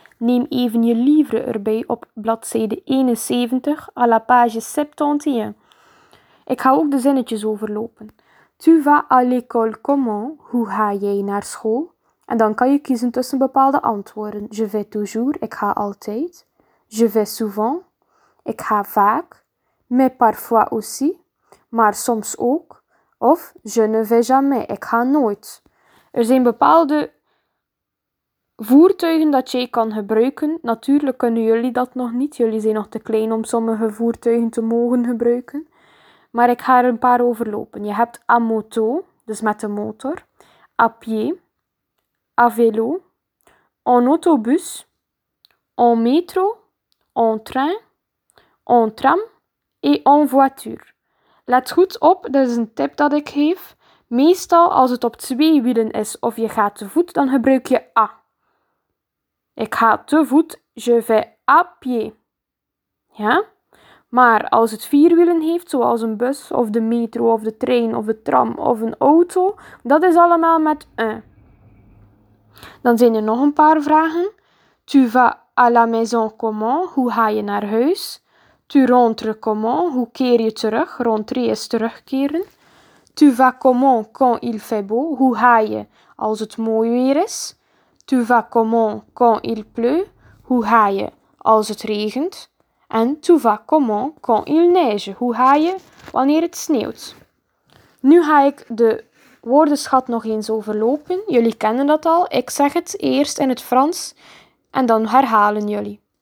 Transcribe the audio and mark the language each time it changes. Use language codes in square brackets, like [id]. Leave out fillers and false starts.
[nl] Neem even je livre erbij op bladzijde 71 [fr] à la page 71. [nl] Ik ga ook de zinnetjes overlopen. [fr] Tu vas à l'école comment? [nl] Hoe ga jij naar school? En dan kan je kiezen tussen bepaalde antwoorden. [fr] Je vais toujours, [nl] ik ga altijd. [fr] Je vais souvent, [nl] ik ga vaak. [fr] Mais parfois aussi, [nl] maar soms ook. [fr] Of, je ne vais jamais, [nl] ik ga nooit. Er zijn bepaalde voertuigen dat jij kan gebruiken. Natuurlijk kunnen jullie dat nog niet. Jullie zijn nog te klein om sommige voertuigen te mogen gebruiken. Maar ik ga er een paar overlopen. Je hebt à moto, dus met de motor. [fr] À pied. À vélo. En autobus. En metro. En train. En tram. Et en voiture. [nl] Let goed op, dat is een tip dat ik geef. Meestal als het op twee wielen is of je gaat te voet, dan gebruik je à. Ik ga te voet, [fr] je vais à pied. [nl] Ja? Maar als het vier wielen heeft, zoals een bus of de metro of de trein of de tram of een auto, dat is allemaal met un. Dan zijn er nog een paar vragen. [fr] Tu vas à la maison comment? [nl] Hoe ga je naar huis? [fr] Tu rentres comment? [nl] Hoe keer je terug? Rentrer is terugkeren. [fr] Tu vas comment quand il fait beau? [nl] Hoe ga je als het mooi weer is? [fr] Tu vas comment quand il pleut? [nl] Hoe ga je als het regent? [fr] En tu vas comment quand il neige? [nl] Hoe ga je wanneer het sneeuwt? Nu ga ik de woordenschat nog eens overlopen. Jullie kennen dat al. Ik zeg het eerst in het Frans en dan herhalen jullie.